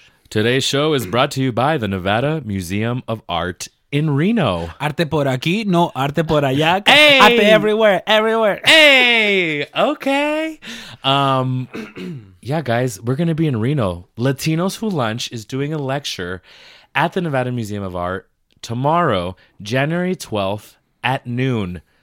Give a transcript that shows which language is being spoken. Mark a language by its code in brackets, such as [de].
[en] Today's show is brought to you by the Nevada Museum of Art in Reno. [es] Arte por aquí, no arte por allá. [en] Hey! Arte everywhere, everywhere. Hey! Okay. Yeah, guys, we're going to be in Reno. Latinos Who Lunch is doing a lecture at the Nevada Museum of Art tomorrow, January 12th at noon.